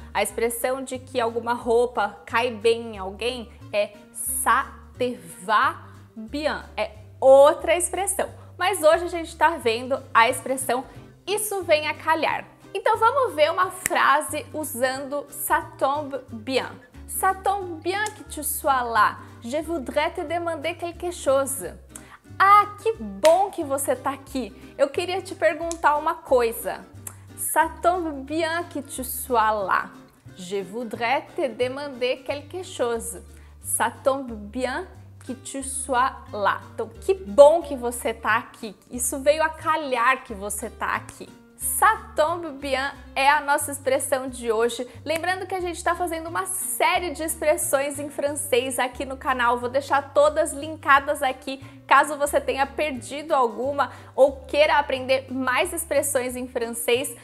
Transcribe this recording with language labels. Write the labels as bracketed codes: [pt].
[pt] A expressão de que alguma roupa cai bem em alguém é [fr] ça te va bien. [pt] É outra expressão. Mas hoje a gente está vendo a expressão isso vem a calhar. Então vamos ver uma frase usando [fr] ça tombe bien. Ça tombe bien que tu sois là. Je voudrais te demander quelque chose. [pt] Ah, que bom que você tá aqui. Eu queria te perguntar uma coisa. [fr] Ça tombe bien que tu sois là. Je voudrais te demander quelque chose. Ça tombe bien que tu sois là. [pt] Então, que bom que você tá aqui. Isso veio a calhar que você tá aqui. [fr] Ça tombe bien [pt] é a nossa expressão de hoje. Lembrando que a gente está fazendo uma série de expressões em francês aqui no canal. Vou deixar todas linkadas aqui, caso você tenha perdido alguma ou queira aprender mais expressões em francês.